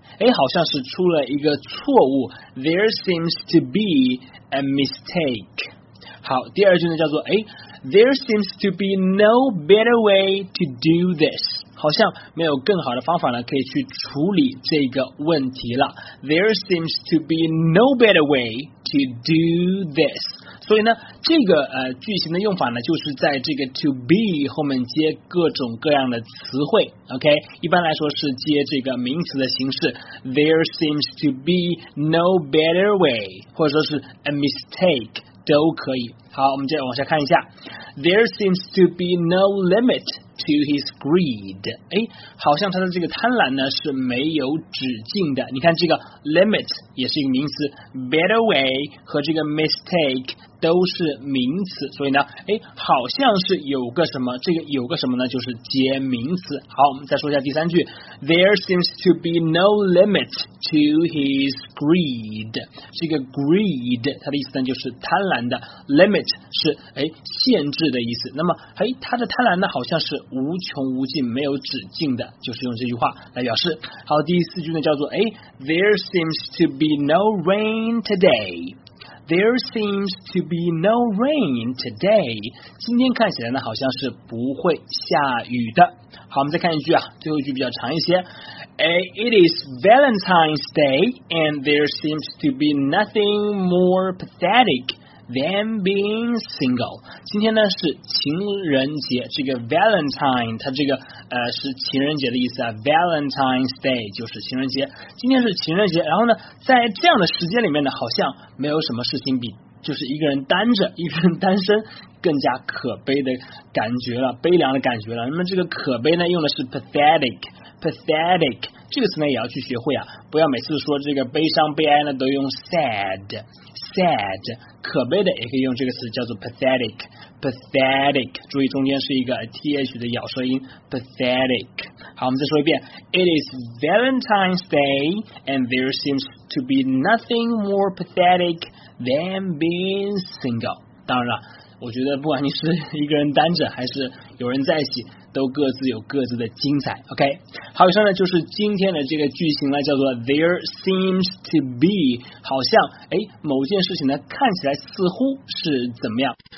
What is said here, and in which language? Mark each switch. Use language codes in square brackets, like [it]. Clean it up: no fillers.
[zh] 哎，好像是出了一个错误。 [en] There seems to be a mistake。 [zh] 好，第二句呢叫做，哎， [en] There seems to be no better way to do this。 [zh] 好像没有更好的方法呢可以去处理这个问题了。 [en] There seems to be no better way to do this。 [zh] 所以呢这个句型的用法呢就是在这个 to be 后面接各种各样的词汇， OK， 一般来说是接这个名词的形式。 [en] There seems to be no better way， [zh] 或者说是 [en] a mistake [zh] 都可以。好，我们再往下看一下。 [en] There seems to be no limit to his greed。 [zh] 哎，好像他的这个贪婪呢是没有止境的。你看这个 limit 也是一个名词， better way 和这个 mistake 都是名词，所以呢，哎，好像是有个什么，这个有个什么呢就是接名词。好，我们再说一下第三句。 [en] There seems to be no limit to his greed。 [zh] 这个 greed 它的意思呢就是贪婪的， limit是，哎，限制的意思。那么，哎，他的贪婪呢好像是无穷无尽没有止境的，就是用这句话来表示。好，第四句呢叫做，哎， [en] There seems to be no rain today。 There seems to be no rain today。 [zh] 今天看起来呢好像是不会下雨的。好，我们再看一句啊，最后一句比较长一些。 [en] It is Valentine's Day and there seems to be nothing more pathetic than being single。 [zh] 今天呢是情人节，这个 Valentine 它这个是情人节的意思啊， Valentine's Day 就是情人节。今天是情人节，然后呢在这样的时间里面呢好像没有什么事情比就是一个人单着，一个人单身更加可悲的感觉了，悲凉的感觉了。那么这个可悲呢用的是 pathetic。 pathetic 这个词呢也要去学会啊，不要每次说这个悲伤悲哀呢都用 sad。 sad 可悲的也可以用这个词叫做 pathetic。 pathetic 注意中间是一个 th 的咬舌音， pathetic。好，我们再说一遍。 [en] It is Valentine's Day and there seems to be nothing more pathetic than being single。 [zh] 当然了，我觉得不管你是一个人单着还是有人在一起，都各自有各自的精彩， OK。好，以上呢就是今天的这个句型呢叫做 [en] There seems to be， [zh] 好像，哎，某件事情呢看起来似乎是怎么样。